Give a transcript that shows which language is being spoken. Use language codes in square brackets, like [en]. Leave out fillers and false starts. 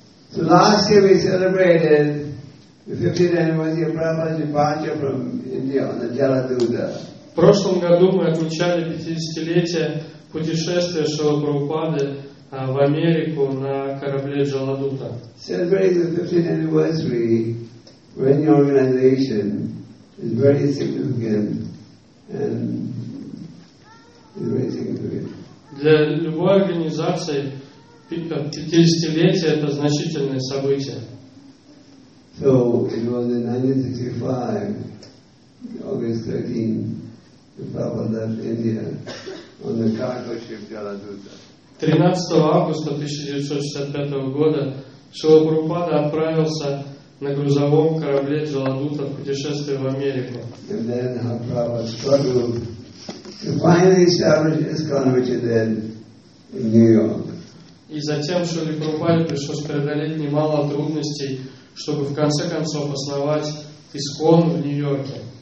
[en] So last year we celebrated the 50th anniversary of Prabhupada's departure from India on the Jaladuta. [ru] В прошлом году мы отмечали 50-летие путешествия Шрилы Прабхупады в Америку на корабле Джаладута. [en] Celebrating the 50th anniversary for any organization is very significant and very significant. [ru] Для любой организации 50-летие — это значительное событие. [en] So it was in 1965, August 13, the Prabhupada left India on the cargo ship Jaladuta. [ru] 13 августа 1965 года Шрила Прабхупада отправился на грузовом корабле Джаладута в путешествие в Америку. [en] And then our Prabhupada struggled to finally establish ISKCON, which is then in New York. [ru] И затем Шрила Прабхупаде пришлось преодолеть немало трудностей, чтобы в конце концов основать ИСКОН в Нью-Йорке.